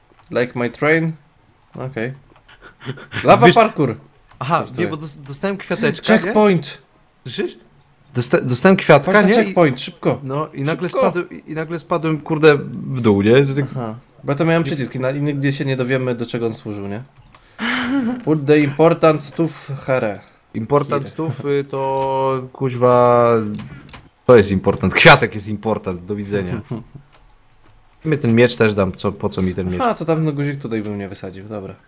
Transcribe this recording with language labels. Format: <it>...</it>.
<en>Like my train? Okej. Okay. Lava wiesz... parkour!</en> <pl>Aha, nie, bo dostałem kwiateczka,</pl> <en>checkpoint!</en> <pl>Słyszysz? Dostałem kwiatka, patrz na nie? Checkpoint, szybko! No i nagle szybko. Spadłem, i nagle spadłem, kurde, w dół, nie? Tak... Aha. Bo ja to miałem przycisk i nigdy się nie dowiemy, do czego on służył, nie?</pl> <en>Put the important stuff here.</en> <pl>Important stuff to, kuźwa... To jest important, kwiatek jest important, do widzenia. My ten miecz też dam, co, po co mi ten miecz? A to tam guzik tutaj bym nie wysadził, dobra.</pl>